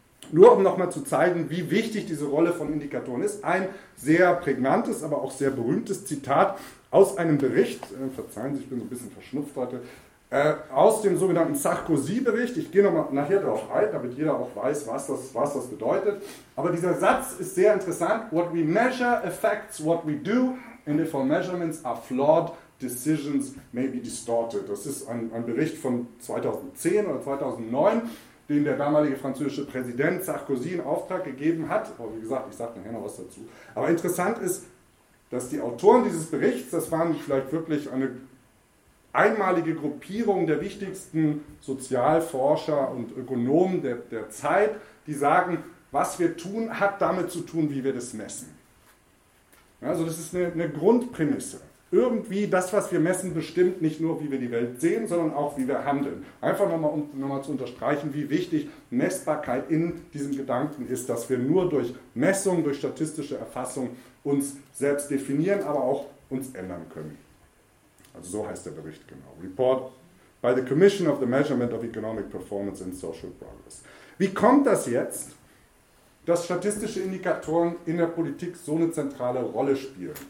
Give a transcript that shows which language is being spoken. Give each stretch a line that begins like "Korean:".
German: Nur um nochmal zu zeigen, wie wichtig diese Rolle von Indikatoren ist, ein sehr prägnantes, aber auch sehr berühmtes Zitat aus einem Bericht, verzeihen Sie, ich bin so ein bisschen verschnupft heute, aus dem sogenannten Sarkozy-Bericht. Ich gehe nochmal nachher darauf ein, damit jeder auch weiß, was das bedeutet. Aber dieser Satz ist sehr interessant.
English: What we measure affects what we do, and if our measurements are flawed, decisions may be distorted.
German: Das ist ein Bericht von 2010 oder 2009. Den der damalige französische Präsident Sarkozy in Auftrag gegeben hat. Aber wie gesagt, ich sage nachher noch was dazu. Aber interessant ist, dass die Autoren dieses Berichts, das waren vielleicht wirklich eine einmalige Gruppierung der wichtigsten Sozialforscher und Ökonomen der Zeit, die sagen, was wir tun, hat damit zu tun, wie wir das messen. Also das ist eine Grundprämisse. Irgendwie das, was wir messen, bestimmt nicht nur, wie wir die Welt sehen, sondern auch, wie wir handeln. Einfach nochmal zu unterstreichen, wie wichtig Messbarkeit in diesem Gedanken ist, dass wir nur durch Messung, durch statistische Erfassung uns selbst definieren, aber auch uns ändern können. Also so heißt der Bericht genau.
English: Report by the Commission of the Measurement of Economic Performance and Social Progress.
German: Wie kommt das jetzt, dass statistische Indikatoren in der Politik so eine zentrale Rolle spielen?